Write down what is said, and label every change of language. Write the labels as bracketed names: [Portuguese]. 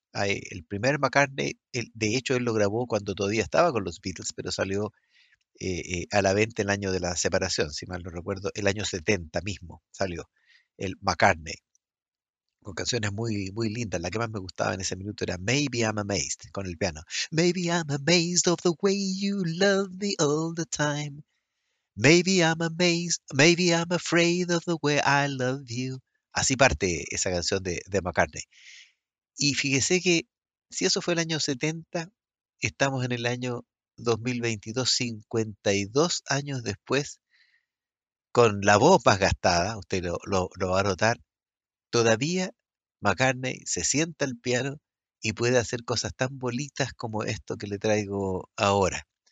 [Spanish] El primer McCartney, de hecho, él lo grabó cuando todavía estaba con los Beatles, pero salió a la venta el año de la separación, si mal no recuerdo, el año 70 mismo salió el McCartney, con canciones muy, muy lindas. La que más me gustaba en ese minuto era Maybe I'm Amazed, con el piano. [English] Maybe I'm amazed of the way you love me all the time. Maybe I'm amazed, maybe I'm afraid of the way I love you. [Spanish] Así parte esa canción de McCartney. Y fíjese que si eso fue el año 70, estamos en el año 2022, 52 años después, con la voz más gastada, usted lo va a notar, todavía McCartney se sienta al piano y puede hacer cosas tan bonitas como esto que le traigo ahora.